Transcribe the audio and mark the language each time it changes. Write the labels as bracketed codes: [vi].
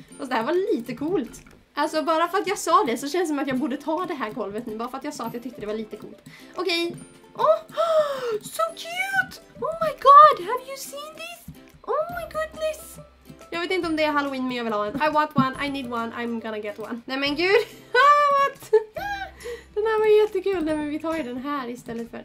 [sv] Fast det här var lite coolt. Alltså bara för att jag sa det så känns det som att jag borde ta det här golvet nu. Bara för att jag sa att jag tyckte det var lite coolt. [en] Okej. Okay. Oh, so cute. Oh my god, have you seen this? Oh my goodness. [sv] Jag vet inte om det är Halloween men jag vill ha en. [en] I want one, I need one, I'm gonna get one. [sv] Nej men gud. [en] What? [sv] Den här var jättekul. Nej, men vi tar ju den här istället för...